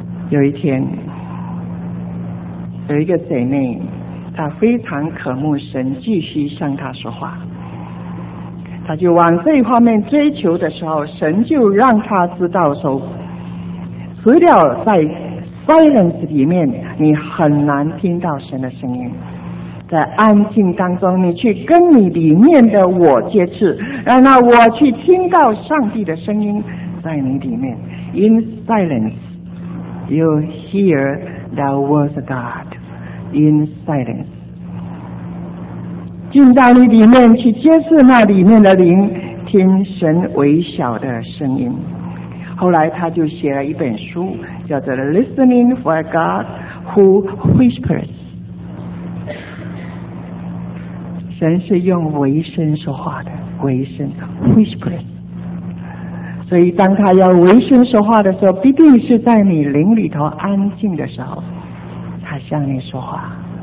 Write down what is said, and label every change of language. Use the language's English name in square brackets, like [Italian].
[Chinese] 有一天有一个姐妹，她非常渴慕神继续向她说话，她就往这一方面追求的时候，神就让她知道说，除了在silence 里面你很难听到神的声音，在安静当中你去跟你里面的我接触，让那我去听到上帝的声音在你里面。 [English] In silence you hear the word of God. In silence [Chinese] 进到你里面去接触那里面的灵，听神微小的声音。后来他就写了一本书叫做 Listening for God Who Whispers， 神是用微声说话的，微声 Whispers， 所以当他要微声说话的时候，必定是在你灵里头安静的时候他向你说话。